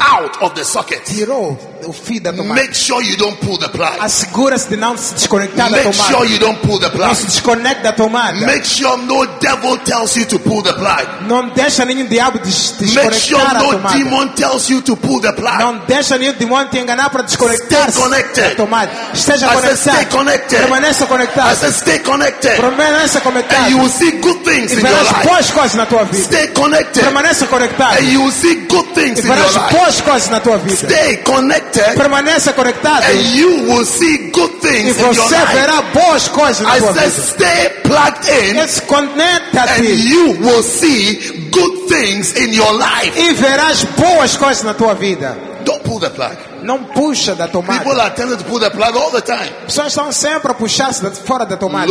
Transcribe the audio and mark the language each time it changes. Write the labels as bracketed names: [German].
[English] out of the socket. [Portuguese] Tirou o fio da tomada. [English] Make sure you don't pull the plug. [Portuguese] Assegura-se de não se desconectar [English] make [Portuguese] da tomada. [English] Make sure you don't pull the plug. [Portuguese] Não se desconecte da tomada. [English] Make sure no devil tells you to pull the plug. [Portuguese] Não deixa nenhum diabo desconectar [English] sure [Portuguese] a tomada. [English] Make sure no demon tells you to pull the plug. [Portuguese] Não deixa nenhum demônio te enganar para desconectar da tomada. Esteja conectado. [English] Stay connected. [Portuguese] Permaneça conectado. [English] I said stay connected. [Portuguese] Permaneça conectado. [English] And you will see good things in your life. [Portuguese] E verás boas coisas na tua vida. [English] Stay connected. [Portuguese] Permaneça conectado. [English] And you will see good things in your life. [Portuguese] E verás boas coisas na tua vida. [English] Stay connected. [Portuguese] Permaneça conectado. [English] And you will see good things in your life. [Portuguese] E você verá boas coisas na tua vida. [English] I said stay plugged in. [Portuguese] Conectado. [English] And you will see good things in your life. [Portuguese] E verás boas coisas na tua vida. [English] Don't pull the plug. [Portuguese] Não puxa da tomada. [English] People are tempted to pull the plug all the time. [Portuguese] Pessoas estão sempre a puxar-se fora da tomada.